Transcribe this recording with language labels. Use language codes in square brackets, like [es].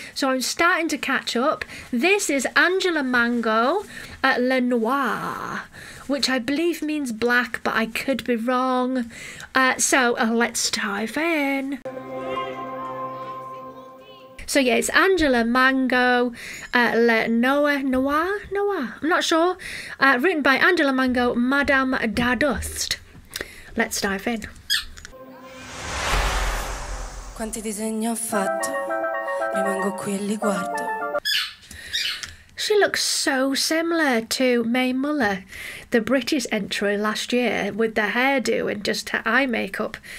[en] So I'm starting to catch up. This is Angela Mango at Le Noir, which I believe means black, but I could be wrong. Let's dive in. So yeah, it's Angela Mango, Noia, I'm not sure, written by Angela Mango, Madame Dadust. Let's dive in. [it] Quanti disegni ho fatto, rimango qui e li guardo. [en] She looks so similar to Mae Muller, the British entry last year, with the hairdo and just her eye makeup.